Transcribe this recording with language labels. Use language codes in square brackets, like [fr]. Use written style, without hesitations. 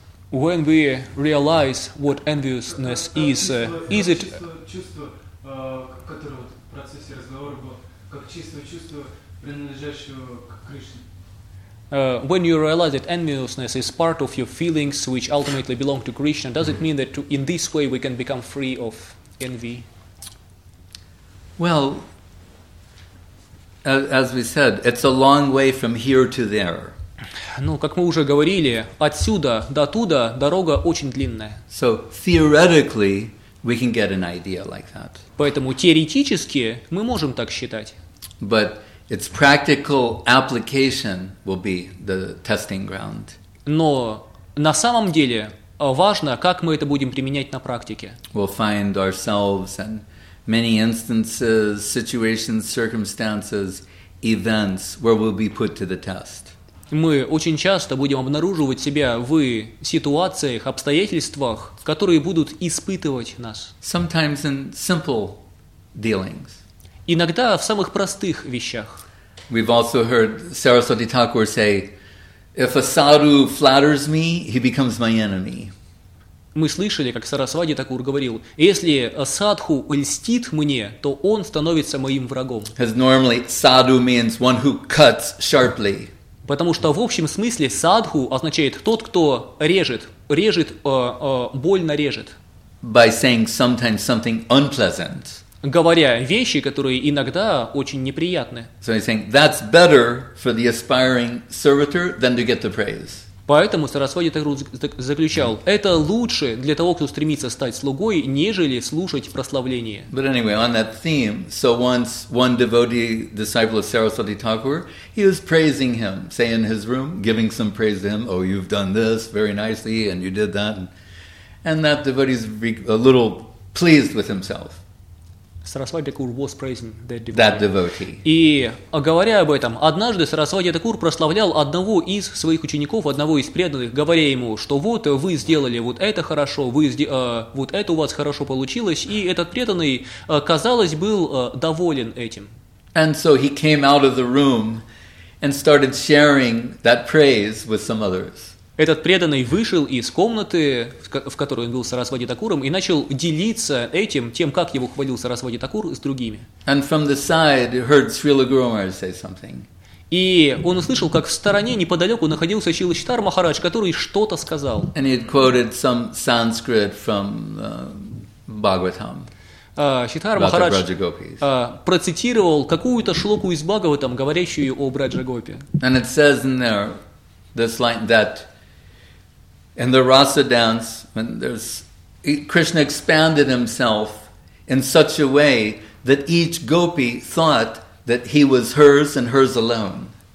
[en] When we realize what enviousness is, is it [ru] чувство, которое в процессе разговора было, как чистое чувство принадлежащего к Кришне? [en] When you realize that enviousness is part of your feelings which ultimately belong to Krishna, does it mean that in this way we can become free of envy? Well, as we said, it's a long way from here to there. [ru] Ну, как мы уже говорили, отсюда до туда дорога очень длинная. [en] So, theoretically, we can get an idea like that. [ru] Поэтому теоретически мы можем так считать. [en] But its practical application will be the testing ground. [ru] Но на самом деле важно, как мы это будем применять на практике. [en] We'll find ourselves in many instances, situations, circumstances, events where we'll be put to the test. [ru] Мы очень часто будем обнаруживать себя в ситуациях, обстоятельствах, которые будут испытывать нас. [en] Sometimes in simple dealings. [ru] Иногда в самых простых вещах. [en] We've also heard Saraswati Thakur say, if a sadhu flatters me, he becomes my enemy. [ru] Мы слышали, как Сарасвати Такур говорил, если садху льстит мне, то он становится моим врагом. [en] As normally, sadhu means one who cuts sharply. [ru] Потому что в общем смысле садху означает тот, кто режет, больно режет. [en] By saying sometimes something unpleasant. [ru] Говоря вещи, которые иногда очень неприятны. [en] So he's saying, that's better for the aspiring servitor than to get the praise. [ru] Поэтому Сарасвати Такур заключал, это лучше для того, кто стремится стать слугой, нежели слушать прославление. [en] But anyway, on that theme, so once one devotee, disciple of Saraswati Thakur, he was praising him, say in his room, giving some praise to him, oh, you've done this very nicely, and you did that. And that devotee's a little pleased with himself. Сарасвати Такур was praising that devotee. That devotee. [ru] И говоря об этом, однажды Сарасвати Такур прославлял одного из своих учеников, одного из преданных, говоря ему, что вот вы сделали вот это хорошо, вот это у вас хорошо получилось, и этот преданный, казалось, был доволен этим. [en] And so he came out of the room and started sharing that praise with some others. [ru] Этот преданный вышел из комнаты, в которой он был Сарасвати Такуром, и начал делиться этим, тем, как его хвалил Сарасвати Такур, с другими. [en] And from the side heard Srila Guru Maharaj say something. [ru] И он услышал, как в стороне, неподалеку, находился Шрила Читар Махарадж, который что-то сказал. [en] And he had quoted some Sanskrit from Bhagavatam. [ru] Читар Махарадж процитировал какую-то шлоку из Бхагаватам, говорящую о Браджа-гопи. [en] And it says in there this line that in the rasa dance, when there's Krishna expanded himself in such a way that each gopi thought that he was hers and hers alone.